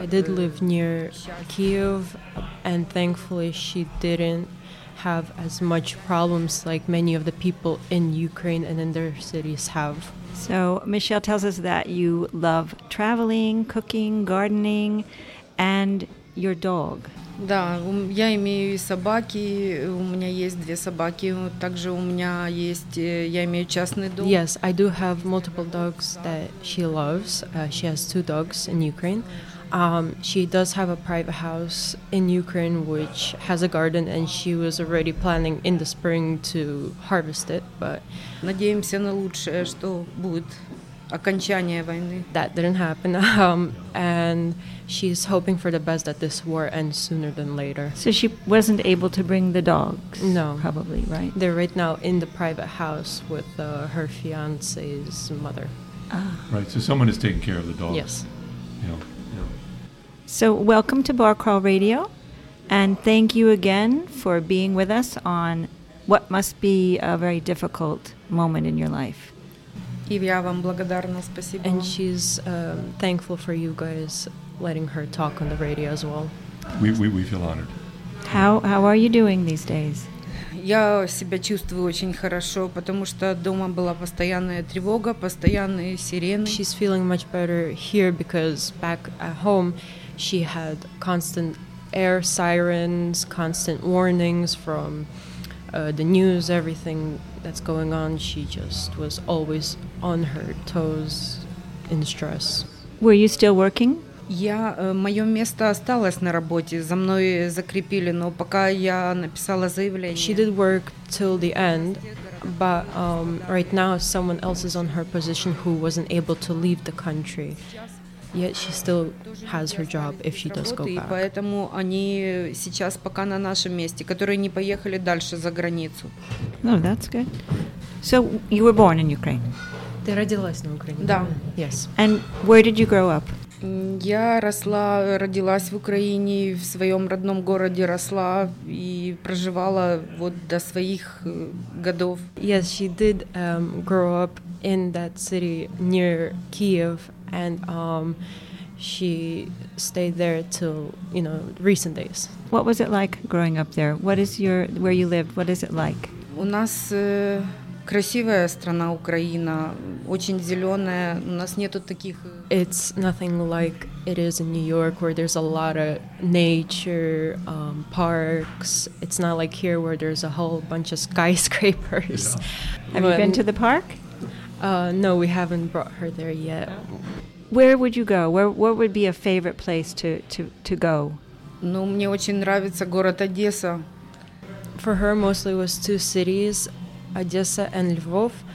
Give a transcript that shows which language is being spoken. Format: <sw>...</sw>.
<en>I did live near Kyiv, and thankfully she didn't have as much problems like many of the people in Ukraine and in their cities have. So Michelle tells us that you love traveling, cooking, gardening, and your dog.</en> <ru>Да, я имею собаки. У меня есть две собаки. Также у меня есть, я имею частный дом.</ru> <en>Yes, I do have multiple dogs that she loves. She has two dogs in Ukraine. She does have a private house in Ukraine, which has a garden, and she was already planning in the spring to harvest it, but</en> <ru>надеемся на лучшее, что будет окончание войны.</ru> <en>That didn't happen, and she's hoping for the best that this war ends sooner than later. So she wasn't able to bring the dogs? No. Probably, right? They're right now in the private house with her fiancé's mother. Ah. Right, so someone is taking care of the dogs. Yes. Yeah. So welcome to Bar Crawl Radio, and thank you again for being with us on what must be a very difficult moment in your life. And she's thankful for you guys letting her talk on the radio as well. We feel honored. How are you doing these days?</en> <ru>Я себя чувствую очень хорошо, потому что дома была постоянная тревога, постоянные сирены.</ru> <en>She's feeling much better here because back at home, she had constant air sirens, constant warnings from the news, everything that's going on. She just was always on her toes in stress. Were you still working?</en> <ru>Я, мое место осталось на работе, за мной закрепили, но пока я написала заявление.</ru> <en>She did work till the end, but right now someone else is on her position who wasn't able to leave the country. Yet she still has her job if she does go back.</en> <ru>Поэтому они сейчас пока на нашем месте, которые не поехали дальше за границу.</ru> <en>No, that's good. So you were born in Ukraine.</en> <ru>Ты родилась на Украине. Да.</ru> <en>Yes. And where did you grow up?</en> <ru>Я росла, родилась в Украине, в своем родном городе росла и проживала вот до своих годов.</ru> <en>Yes, she did grow up in that city near Kyiv. And she stayed there till, you know, recent days. What was it like growing up there? Where you lived, what is it like?</en> <ru>У нас красивая страна Украина, очень зеленая. У нас нету таких.</ru> <en>It's nothing like it is in New York, where there's a lot of nature, parks. It's not like here, where there's a whole bunch of skyscrapers. Yeah. Have you been to the park? No, we haven't brought her there yet. Where would you go? What would be a favorite place to go?</en> <ru>Ну, мне очень нравится город Одесса.</ru> <en>For her, mostly it was two cities, Odessa and Lvov.</en>